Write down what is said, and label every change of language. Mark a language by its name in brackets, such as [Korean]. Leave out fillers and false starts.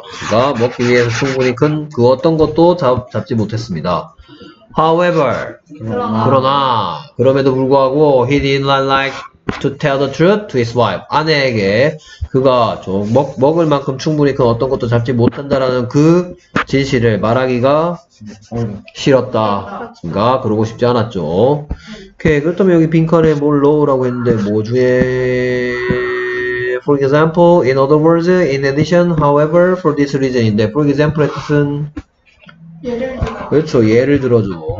[Korean] 그러니까 먹기 위해서 충분히 큰 그 어떤 것도 잡지 못했습니다. [English] However, [Korean] 그러나 그럼에도 불구하고 [English] he did not like to tell the truth to his wife. [Korean] 아내에게 그가 좀 먹을 만큼 충분히 그 어떤 것도 잡지 못한다라는 그 진실을 말하기가 싫었다. 그러니까 그러고 싶지 않았죠. 오케이. 그렇다면 여기 빈칸에 뭘 넣으라고 했는데 뭐 중에 for example, in other words, in addition, however, for this reason인데 for example의 뜻은 그렇죠. 예를 들어줘.